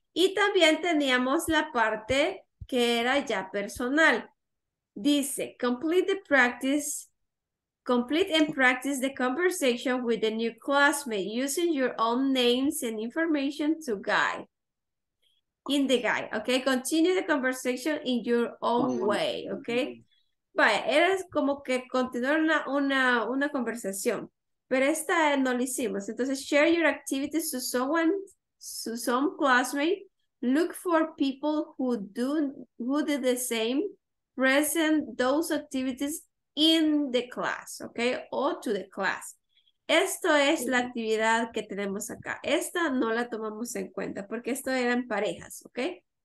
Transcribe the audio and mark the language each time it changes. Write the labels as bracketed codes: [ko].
[es] Y también teníamos la parte que era ya personal. [en] Dice, complete and practice the conversation with the new classmate using your own names and information to guide. In the guide, okay? Continue the conversation in your own way, okay? [es] Vaya, era como que continuar una conversación. Pero esta no lo hicimos. Entonces, [en] share your activities to some classmate. Look for people who did the same, present those activities in the class, okay? O to the class. [es] Esto es la actividad que tenemos acá. Esta no la tomamos en cuenta porque esto era en parejas, okay?